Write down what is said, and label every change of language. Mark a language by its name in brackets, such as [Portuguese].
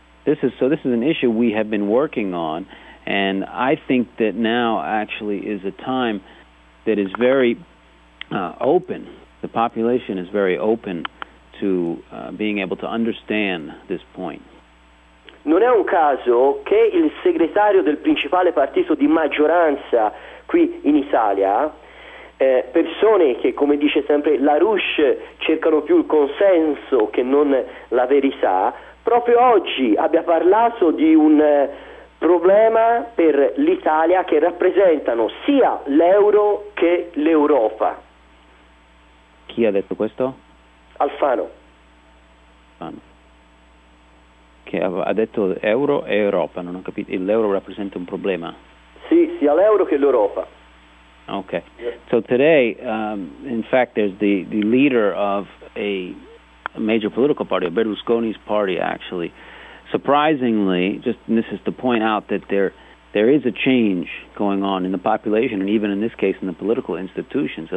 [English] This is an issue we have been working on, and I think that now actually is a time that is very open. The population is very open to being able to understand this point. [Italian] Non è un caso che il segretario del principale partito di maggioranza qui in Italia, persone che, come dice sempre La Rouche, cercano più il consenso che non la verità, proprio oggi abbia parlato di un problema per l'Italia che rappresentano sia l'euro che l'Europa. Chi ha detto questo? Alfano. Alfano. Che ha detto euro e Europa, non ho capito, l'euro rappresenta un problema? Sì, sia l'euro che l'Europa. Okay. [English] So today, in fact, there's the leader of a major political party, Berlusconi's party, actually. Surprisingly, just, and this is to point out that there is a change going on in the population, and even in this case in the political institutions.